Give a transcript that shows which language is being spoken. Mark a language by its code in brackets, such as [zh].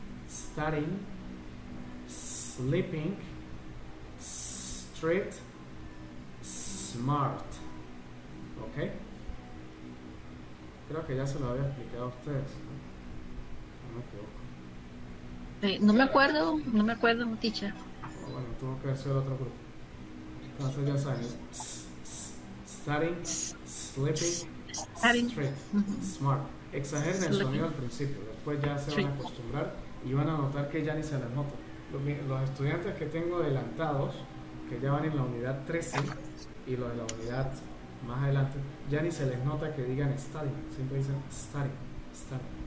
[en] Studying, sleeping, street, smart. ¿Ok? [es] Creo que ya se lo había explicado a ustedes. No me equivoco. No me acuerdo, teacher. Bueno, tuvo que hacer otro grupo. Entonces ya saben. [en] Studying, sleeping, street, smart. [es] Exageren el sonido al principio, después ya se van a acostumbrar y van a notar que ya ni se les nota. Los estudiantes que tengo adelantados, que ya van en la unidad 13 y los de la unidad más adelante, ya ni se les nota que digan study, siempre dicen study, study.